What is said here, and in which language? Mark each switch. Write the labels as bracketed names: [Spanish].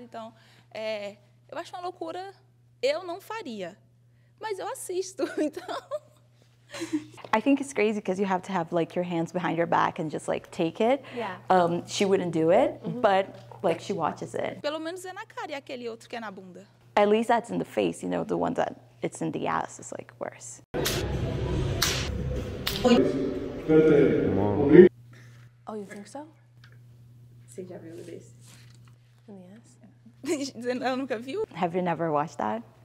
[Portuguese] Então, eu acho uma loucura, eu não faria. Mas eu assisto, então... [English] I think it's crazy because you have to have like your hands behind your back and just like take it. Yeah. She wouldn't do it, mm-hmm. But like she watches it. [Portuguese] Pelo menos é na cara e aquele outro que é na bunda. [English] At least that's in the face, you know, the one that it's in the ass is like worse. Oh, you think so? [Portuguese] Você já viu isso? [English] In the ass? Have you never watched that?